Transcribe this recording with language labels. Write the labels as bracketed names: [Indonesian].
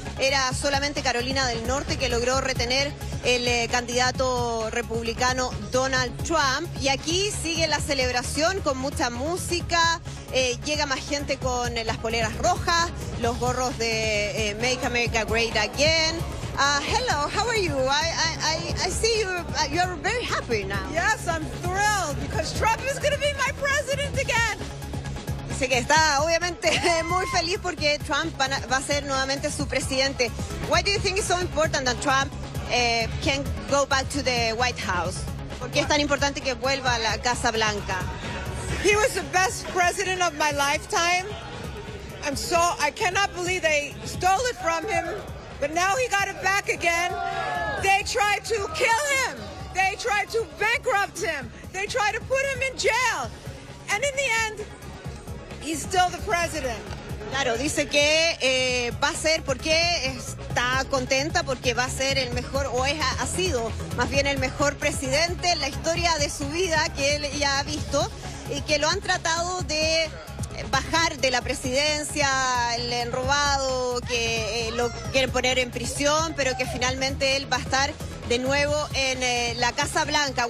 [Spanish] Era solamente Carolina del Norte que logró retener el candidato republicano Donald Trump. Y aquí sigue la celebración con mucha música. Llega más gente con las poleras rojas, los gorros de Make America Great Again. [English] Hello, how are you? I see you're very happy now. Yes, I'm thrilled because Trump is going to be my president again. [Spanish] Dice que está obviamente muy feliz porque Trump va a ser nuevamente su presidente. [English] Why do you think it's so important that Trump can go back to the White House? [Spanish] ¿Por qué es tan importante que vuelva a la Casa Blanca? [English] He was the best president of my lifetime. I'm so, I cannot believe they stole it from him, but now he got it back again. They tried to kill him. They tried to bankrupt him. They tried to put him in jail. And in the end, he's still the president. [Spanish] Claro, dice que va a ser, porque está contenta, porque va a ser el mejor, o ha sido más bien el mejor presidente en la historia de su vida que él ya ha visto, y que lo han tratado de bajar de la presidencia, el enrobado, que lo quieren poner en prisión, pero que finalmente él va a estar de nuevo en la Casa Blanca.